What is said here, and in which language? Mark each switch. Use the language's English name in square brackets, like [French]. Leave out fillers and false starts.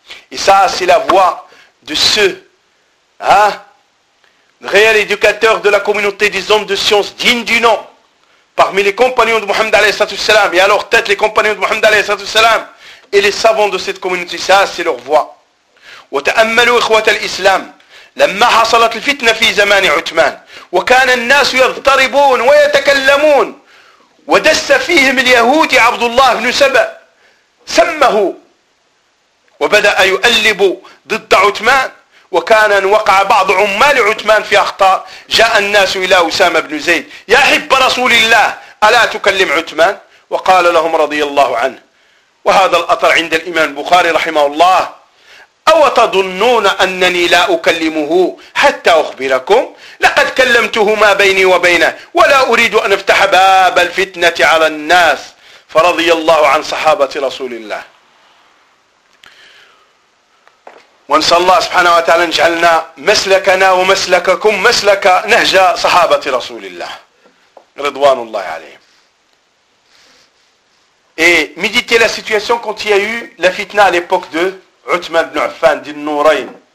[French] Et ça, c'est la voix de ceux, réels éducateurs de la communauté des hommes de science dignes du nom, parmi les compagnons de Mohammed, alayhi sallatu wassalam, et à leur tête, les compagnons de Mohammed, alayhi sallatu wassalam, et les savants de cette communauté, ça, c'est leur voix. [Arabic] وتأملوا إخوة الإسلام لما حصلت الفتنة في زمان عثمان وكان الناس يضطربون ويتكلمون ودس فيهم اليهود عبد الله بن سبأ سمه وبدأ يؤلب ضد عثمان وكان أن وقع بعض عمال عثمان في أخطاء جاء الناس إلى أسامة بن زيد يا حب رسول الله ألا تكلم عثمان وقال لهم رضي الله عنه وهذا الأثر عند الإمام البخاري رحمه الله أو تظنون أنني لا أكلمه حتى أخبركم لقد كلمته ما بيني وبينه ولا أريد أن أفتح باب الفتنة على الناس فرضي الله عن صحابة رسول الله ونسأل الله سبحانه وتعالى أن يجعلنا مسلكنا ومسلككم مسلك نهج صحابة رسول الله رضوان الله عليهم. [French] Et méditez la situation quand il y a eu la fitna à l'époque de Uthman ibn Affan, dit Nourayn.